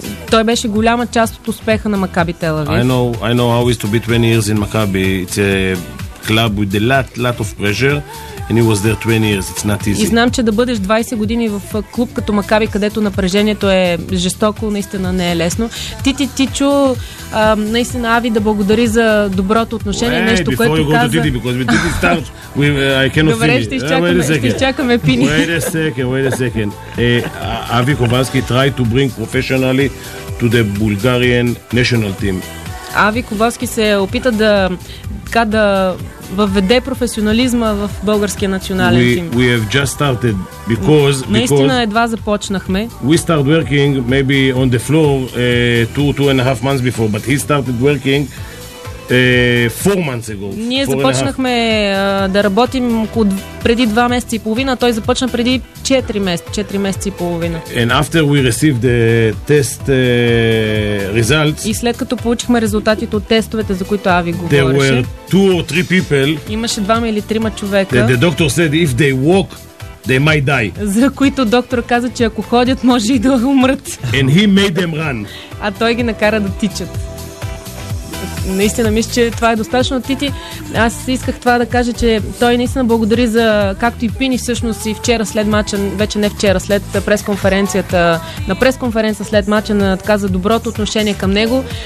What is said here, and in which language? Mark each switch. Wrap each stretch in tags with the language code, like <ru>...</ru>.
<bg>Той беше голяма част от успеха на Maccabi Tel Aviv.</bg> <en>I know how it is to be 20 years in Maccabi. It's a club with a lot of pressure and he was there 20 years. It's not easy.</en> <bg>И знам, че да бъдеш 20 години в клуб като Maccabi, където напрежението е жестоко, наистина не е лесно. Тичо, наистина Ави да благодари за доброто отношение, нещо, което каза.</bg> <en>Before you go to Didi, because we didn't start, I cannot finish.</en> <bg>Добре, ще изчакаме Пини.</bg> <en>Wait a second. Ави Ковански try to bring professionally to the Bulgarian national team.</en> <bg>Ави Ковалски се опита да, така, да въведе професионализма в българския национален тим.</bg> <en>We have just started because</en> <bg>едва започнахме.</bg> <en>We started working maybe on the floor two and a half months before, but he started working 4 months ago.</en> <bg>Ние започнахме да работим преди 2 месеца и половина, той започна преди 4 месеца и половина.</bg> <en>And after we received the test results.</en> <bg>И след като получихме резултатите от тестовете, за които Ави говореше.</bg> <en>There were 2 or 3 people.</en> <bg>Имаше 2 или 3 човека.</bg> <en>The doctor said if they walk they might die.</en> <bg>За които доктор каза, че ако ходят, може и да умрат.</bg> <en>And he made them run.</en> <bg>А той ги накара да тичат. Наистина мисля, че това е достатъчно от Тити. Аз исках това да кажа, че той наистина благодари за, както и Пини всъщност и вчера след мача, вече не вчера, след пресконференцията, на пресконференция след мача, така, за доброто отношение към него.</bg>